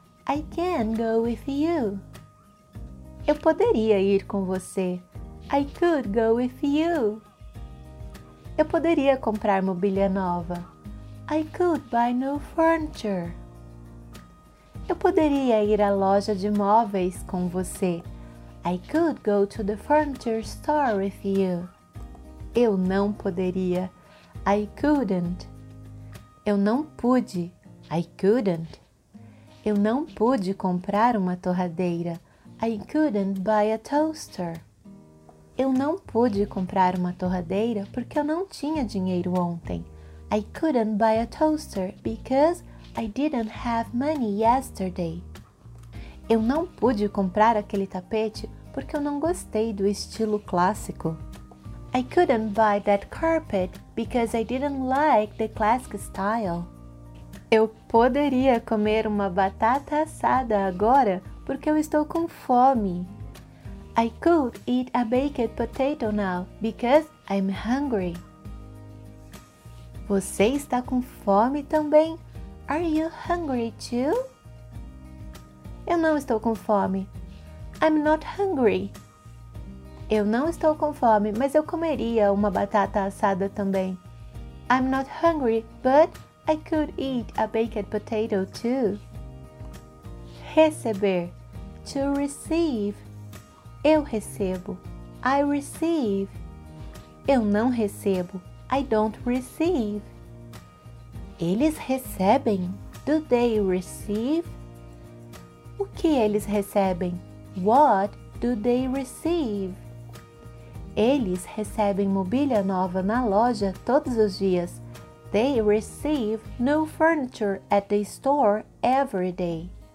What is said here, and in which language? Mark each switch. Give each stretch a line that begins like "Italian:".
English: I can go with you.
Portuguese: Eu poderia ir com você.
English: I could go with you.
Portuguese: Eu poderia comprar mobília nova.
English: I could buy new furniture.
Portuguese: Eu poderia ir à loja de móveis com você.
English: I could go to the furniture store with you.
Portuguese: Eu não poderia.
English: I couldn't.
Portuguese: Eu não pude. I couldn't. Eu não pude comprar uma torradeira.
English: I couldn't buy a toaster.
Portuguese: Eu não pude comprar uma torradeira porque eu não tinha dinheiro ontem.
English: I couldn't buy a toaster because I didn't have money yesterday.
Portuguese: Eu não pude comprar aquele tapete porque eu não gostei do estilo clássico.
English: I couldn't buy that carpet because I didn't like the classic style.
Portuguese: Eu poderia comer uma batata assada agora porque eu estou com fome.
English: I could eat a baked potato now because I'm hungry.
Portuguese: Você está com fome também?
English: Are you hungry too?
Portuguese: Eu não estou com fome.
English: I'm not hungry.
Portuguese: Eu não estou com fome, mas eu comeria uma batata assada também.
English: I'm not hungry, but I could eat a baked potato too.
Portuguese: Receber.
English: To receive.
Portuguese: Eu recebo.
English: I receive.
Portuguese: Eu não recebo.
English: I don't receive.
Portuguese: Eles recebem.
English: Do they receive?
Portuguese: O que eles recebem?
English: What do they receive?
Portuguese: Eles recebem mobília nova na loja todos os dias.
English: They receive new furniture at the store every day.